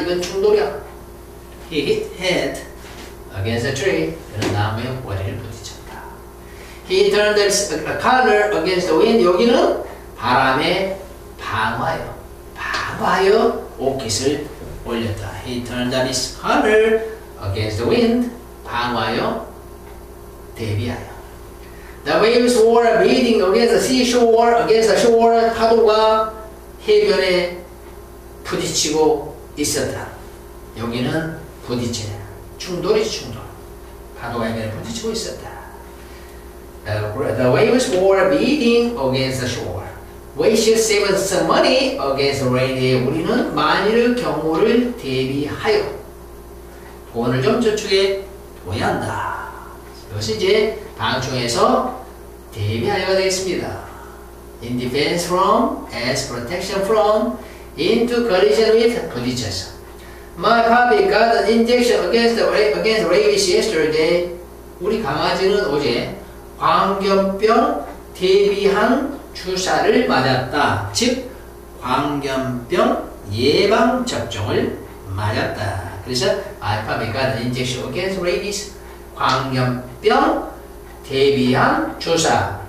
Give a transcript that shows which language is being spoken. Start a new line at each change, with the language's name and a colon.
Korean: 이건 충돌이야.
English: he hit head against a tree.
Korean: 그는 나무에 머리를 부딪혔다.
English: he turned his collar against the wind.
Korean: 여기는 바람에 방어하여 방어하여 옷깃을 올렸다.
English: he turned on his collar against the wind.
Korean: 방어하여 대비하여.
English: The waves were beating against the seashore, against the shore.
Korean: 파도가 해변에 부딪히고 있었다. 여기는 부딪히네. 충돌이지, 충돌. 파도가 해변에 부딪히고 있었다.
English: The waves were beating against the shore. We should save us some money against the rain day.
Korean: 우리는 만일 경우를 대비하여 돈을 좀 저축해 둬야 한다. 이것이 이제 방충에서 대비하여가 되겠습니다.
English: In defense from, as protection from, into collision with,
Korean: 부딪혀서.
English: My puppy got an injection against rabies yesterday.
Korean: 우리 강아지는 어제 광견병 대비한 주사를 맞았다. 즉, 광견병 예방접종을 맞았다. 그래서
English: My puppy got an injection against rabies.
Korean: 광견병 대비한 주사.